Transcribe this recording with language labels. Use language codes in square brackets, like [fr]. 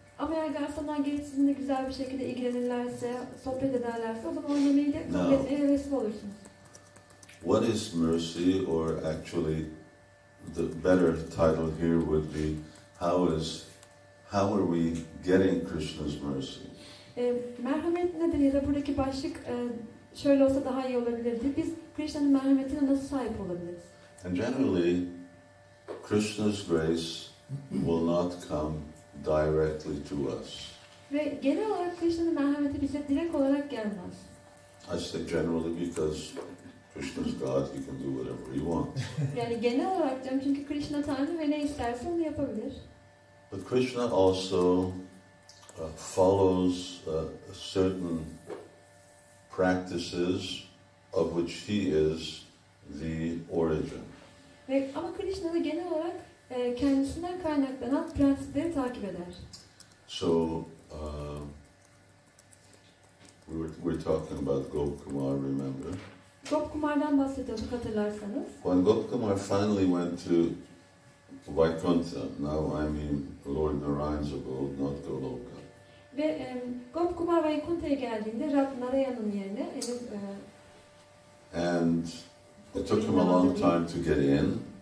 [tr] Ama eğer garsonlar gelip sizinle güzel bir şekilde ilgilenirlerse, sohbet ederlerse o zaman yemeği de kabul etmeye hevesli olursunuz. [en] What is mercy, or actually the better title here would be, how are we getting Krishna's mercy? [tr] Merhamet nedir ya da buradaki başlık şöyle olsa daha iyi olabilirdi. Biz Krishna'nın merhametine nasıl sahip olabiliriz? [en] And generally, Krishna's grace will not come directly to us. [tr] Ve genel olarak Krishna'nın merhameti bize direkt olarak gelmez. [en] I say generally because Krishna's God, he can do whatever he wants. [tr] Yani genel olarak diyorum çünkü Krishna Tanrı ve ne isterse onu yapabilir. [en] But Krishna also follows certain practices of which he is the origin. [tr] Ve ama Krishna da genel olarak kendisinden kaynaklanan prensipleri takip eder. [en] So we're talking about Gopa-kumāra, remember? [tr] Gopa-kumāra'dan bahsediyorduk hatırlarsanız. [en] When Gopa-kumāra finally went to Vaikuntha, now I mean Lord Narayana's abode, not Goloka. [tr] Ve Gopa-kumāra Vaikuntha'ya geldiğinde Rab Narayana'nın yerine [en] and it took him a long time to get in.